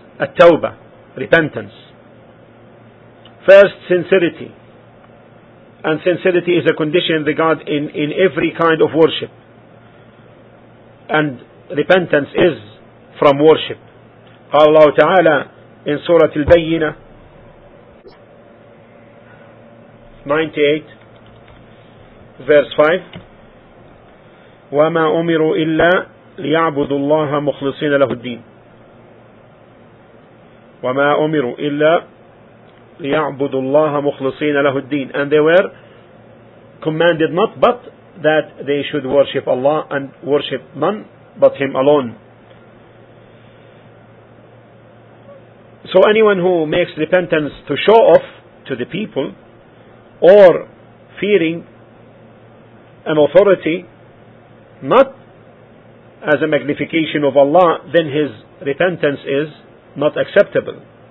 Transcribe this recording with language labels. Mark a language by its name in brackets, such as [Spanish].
[English] At-tawbah, repentance. First, sincerity. And sincerity is a condition regarded in every kind of worship. And repentance is from worship. [Arabic] قال الله تعالى [English] in Surah Al-Bayyinah 98 verse 5, [Arabic] وَمَا أُمِرُوا إِلَّا لِيَعْبُدُوا اللَّهَ مُخْلِصِينَ لَهُ الدِّينَ وَمَا أُمِرُوا إِلَّا لِيَعْبُدُوا اللَّهَ مُخْلِصِينَ لَهُ الدِّينَ. [English] And they were commanded not but that they should worship Allah and worship none but Him alone. So anyone who makes repentance to show off to the people, or fearing an authority, not as a magnification of Allah, then his repentance is not acceptable.